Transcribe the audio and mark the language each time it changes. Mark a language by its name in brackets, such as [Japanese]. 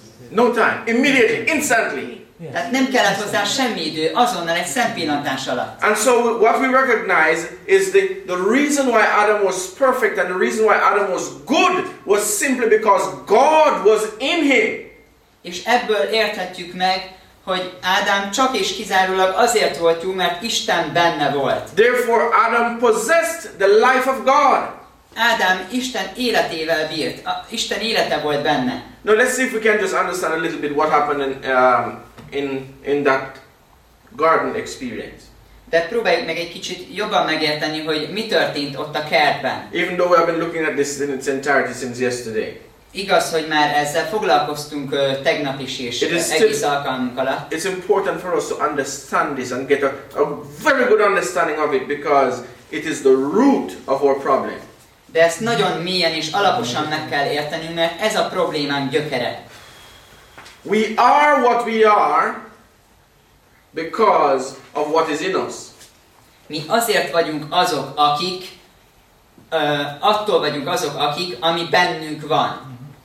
[English] No time. Immediately. Instantly. [Hungarian] Tehát nem kellett hozzá semmi idő, azonnal egy szempillantás alatt. [English] And so what we recognize is the reason why Adam was perfect and the reason why Adam was good was simply because God was in him. [Hungarian] És ebből érthetjük meg, hogy Ádám csak és kizárólag azért volt jó, mert Isten benne volt. [English] Therefore Adam possessed the life of God. [Hungarian] Ádám Isten életével bírt. Isten élete volt benne. [English] Now let's see if we can just understand a little bit what happened in that garden experience. [Hungarian] De próbáljuk meg egy kicsit jobban megérteni, hogy mi történt ott a kertben. [English] Even though we have been looking at this in its entirety since yesterday. [Hungarian] Igaz, hogy már ezzel foglalkoztunk tegnap is és egész alkalmunk alatt. [English] It's important for us to understand this and get a very good understanding of it because it is the root of our problem. [Hungarian] De ezt nagyon mélyen és alaposan meg kell értenünk, mert ez a problémánk gyökere. [English] We are what we are because of what is in us. [Hungarian] Mi azért vagyunk azok, akik attól vagyunk azok, akik ami bennünk van.